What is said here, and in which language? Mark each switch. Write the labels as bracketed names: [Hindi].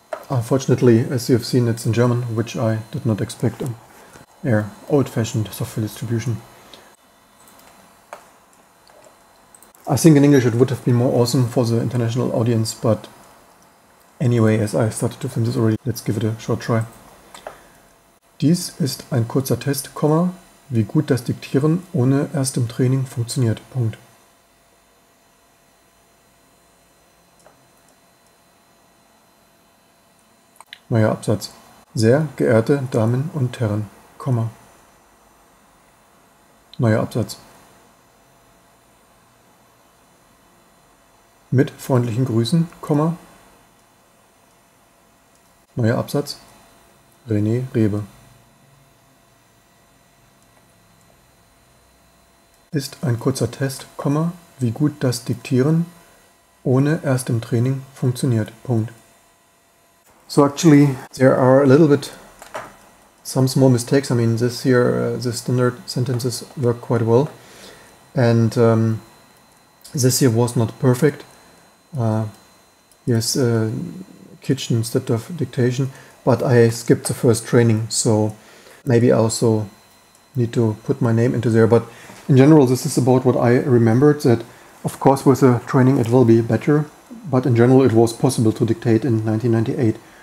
[English] Unfortunately, as you have seen, it's in German, which I did not expect. Old-fashioned software distribution. I think in English it would have been more awesome for the international audience, but anyway, as I started to film this already, let's give it a short try. [German] Dies ist ein kurzer Test, wie gut das Diktieren ohne erstem Training funktioniert. Punkt. Neuer Absatz. Sehr geehrte Damen und Herren, neuer Absatz. Mit freundlichen Grüßen, neuer Absatz, René Rebe. Ist ein kurzer Test, wie gut das Diktieren ohne erstem Training funktioniert, Punkt. [English] So actually, there are a little bit some small mistakes. I mean, this here, the standard sentences work quite well. And this here was not perfect. Yes, kitchen instead of dictation, but I skipped the first training, so maybe I also need to put my name into there. But in general, this is about what I remembered, that of course with a training it will be better, but in general it was possible to dictate in 1998.